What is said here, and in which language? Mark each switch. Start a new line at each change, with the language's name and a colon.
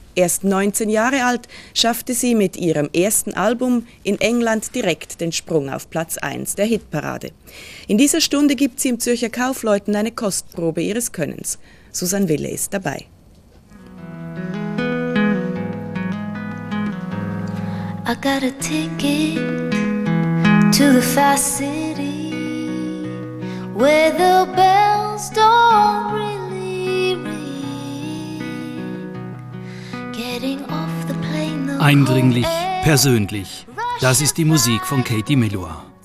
German: Erst 19 Jahre alt schaffte sie mit ihrem ersten Album in England direkt den Sprung auf Platz 1 der Hitparade. In dieser Stunde gibt sie im Zürcher Kaufleuten eine Kostprobe ihres Könnens. Susanne Wille ist dabei.
English: I got a ticket to the fast city where the bells don't really ring. Getting off the plane, the
German: eindringlich, persönlich, das ist die Musik von Katie Melua.